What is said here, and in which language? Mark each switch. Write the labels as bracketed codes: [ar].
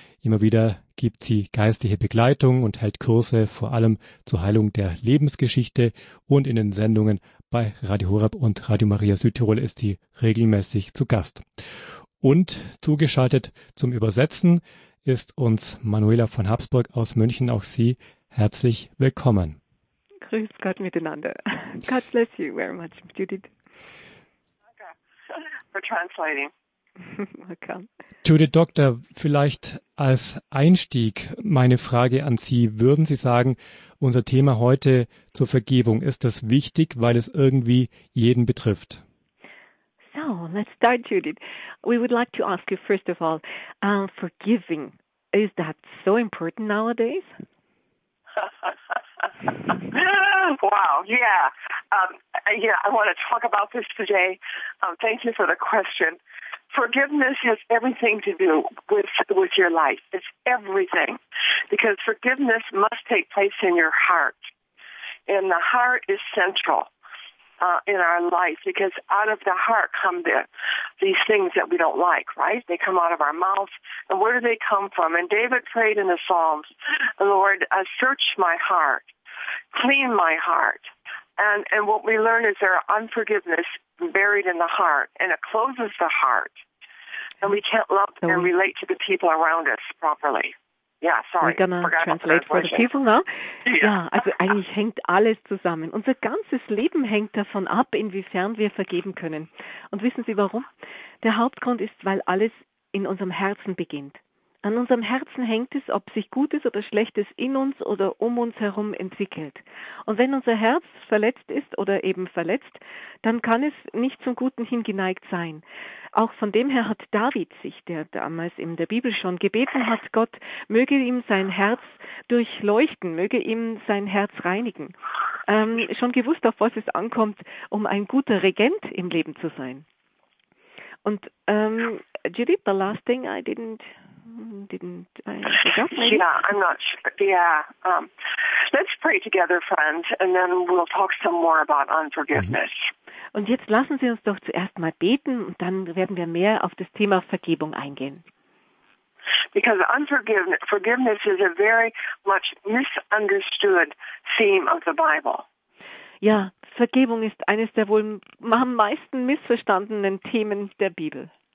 [de] Immer wieder gibt sie geistliche Begleitung und hält Kurse vor allem zur Heilung der Lebensgeschichte und in den Sendungen bei Radio Horeb und Radio Maria Südtirol ist sie regelmäßig zu Gast. Und zugeschaltet zum Übersetzen ist uns Manuela von Habsburg aus München, auch Sie herzlich willkommen. Grüß Gott miteinander. [en] God bless you very much, Judith. Danke for translating. Welcome. [de] Judith Doctor, vielleicht als Einstieg meine Frage an Sie. Würden Sie sagen, unser Thema heute zur Vergebung, ist das wichtig, weil es irgendwie jeden betrifft? [en] So, let's start, Judith. We would like to ask you, first of all, forgiving, is that so important nowadays? Wow, yeah. I want to talk about this today. Thank you for the question. Forgiveness has everything to do with your life. It's everything. Because forgiveness must take place in your heart. And the heart is central in our life, because out of the heart come these things that we don't like, right? They come out of our mouth. And where do they come from? And David prayed in the Psalms, Lord, search my heart, clean my heart. And what we learn is there are unforgiveness buried in the heart, and it closes the heart. And we can't love and relate to the people around us properly. Yeah, sorry. We're gonna translate for the people now. [de] Ja, also eigentlich hängt alles zusammen. Unser ganzes Leben hängt davon ab, inwiefern wir vergeben können. Und wissen Sie warum? Der Hauptgrund ist, weil alles in unserem Herzen beginnt. An unserem Herzen hängt es, ob sich Gutes oder Schlechtes in uns oder um uns herum entwickelt. Und wenn unser Herz verletzt ist oder eben verletzt, dann kann es nicht zum Guten hin geneigt sein. Auch von dem her hat David sich, der damals in der Bibel schon gebeten hat, Gott möge ihm sein Herz durchleuchten, möge ihm sein Herz reinigen, schon gewusst, auf was es ankommt, um ein guter Regent im Leben zu sein. [en] Und Judith, the last thing I didn't. Yeah, I'm not sure. Yeah. Let's pray together, friend, and then we'll talk some more about unforgiveness. [de] Und jetzt lassen Sie uns doch zuerst mal beten, und dann werden wir mehr auf das Thema Vergebung eingehen. [en] Because forgiveness is a very much misunderstood theme of the Bible. [de] Ja, Vergebung ist eines der wohl am meisten missverstandenen Themen der Bibel.